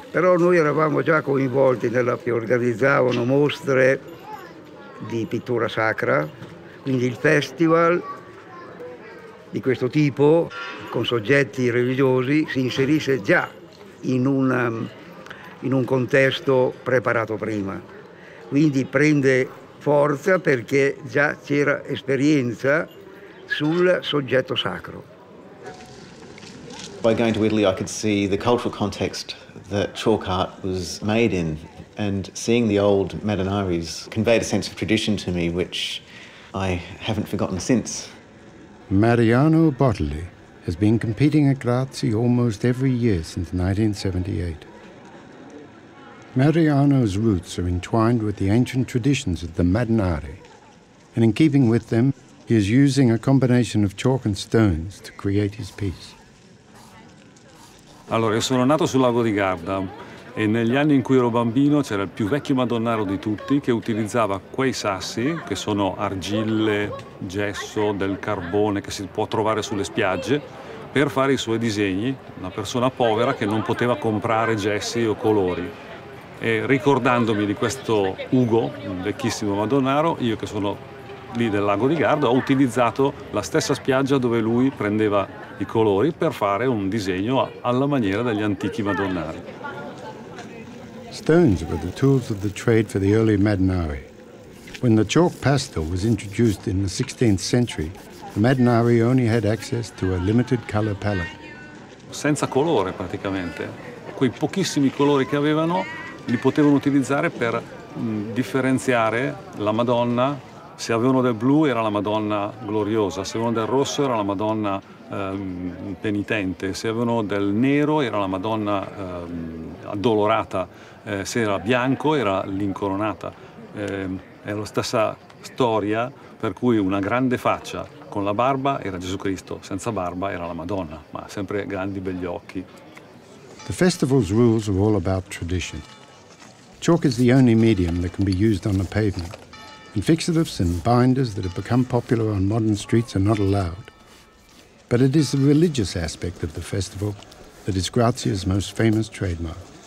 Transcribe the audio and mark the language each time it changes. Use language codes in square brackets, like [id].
[it] Però noi eravamo già coinvolti nella che organizzavano mostre di pittura sacra, quindi il festival di questo tipo, con soggetti religiosi, si inserisce già in un contesto preparato prima. Quindi prende forza perché già c'era esperienza sul soggetto sacro. [en] By going to Italy, I could see the cultural context that chalk art was made in, and seeing the old Madonnaris conveyed a sense of tradition to me, which I haven't forgotten since. Mariano Bottoli has been competing at Grazia almost every year since 1978. Mariano's roots are entwined with the ancient traditions of the Madonnari, and in keeping with them, he is using a combination of chalk and stones to create his piece. [it] Allora, io sono nato sul lago di Garda e negli anni in cui ero bambino c'era il più vecchio Madonnaro di tutti che utilizzava quei sassi, che sono argille, gesso, del carbone che si può trovare sulle spiagge, per fare i suoi disegni, una persona povera che non poteva comprare gessi o colori. E ricordandomi di questo Ugo, un vecchissimo Madonnaro, io che sono lì del lago di Garda, ho utilizzato la stessa spiaggia dove lui prendeva i colori per fare un disegno alla maniera degli antichi Madonnari. [en] Stones were the tools of the trade for the early Madonnari. When the chalk pastel was introduced in the 16th century, the Madonnari only had access to a limited color palette. [it] Senza colore praticamente. Quei pochissimi colori che avevano li potevano utilizzare per differenziare la Madonna. Se avevano del blu era la Madonna gloriosa, se avevano del rosso era la Madonna penitente, se avevano del nero era la Madonna addolorata, se era bianco era l'incoronata. È la stessa storia per cui una grande faccia con la barba era Gesù Cristo, senza barba era la Madonna, ma sempre grandi begli occhi. [en] The festival's rules are all about tradition. Chalk is the only medium that can be used on the pavement. And fixatives and binders that have become popular on modern streets are not allowed. But it is the religious aspect of the festival that is Grazia's most famous trademark.